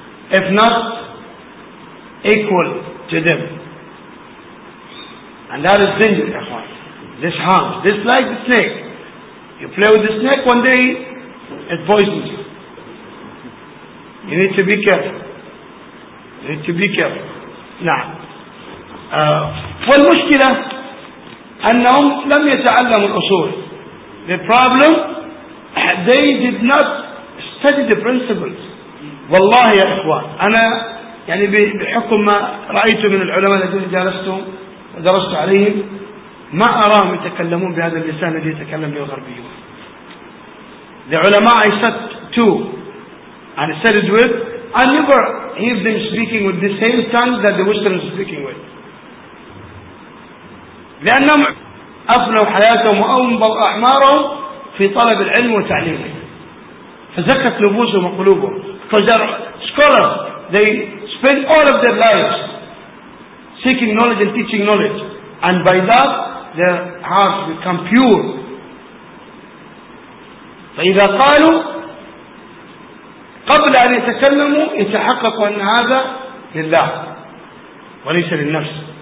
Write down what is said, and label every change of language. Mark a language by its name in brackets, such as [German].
[English] If not, equal to them. And that is dangerous. This harms. This like the snake. You play with the snake, one day it poisons you. You need to be careful. You need to be careful. [Arabic] Now, والمشكلة أنهم لم يتعلموا الأصول. [English] The problem, they did not study the principles. [Arabic] والله يا إخوان أنا يعني بحكم ما رأيت من العلماء الذين جالستهم ودرست عليهم ما أراهم يتكلمون بهذا اللسان الذي يتكلم به الغربيون. [English] The علماء I sat to and studied with, I never hear them speaking with the same tongue that the Westerners are speaking with. [Arabic] لأنهم أفنوا حياتهم وأنبوا أعمارهم في طلب العلم وتعليمه. فزكت نفوسهم وقلوبهم. [English] Scholars, they spend all of their lives seeking knowledge and teaching knowledge. And by that, their hearts become pure. [Arabic] فإذا قالوا قبل أن يتكلموا يتحققوا أن هذا لله وليس للنفس.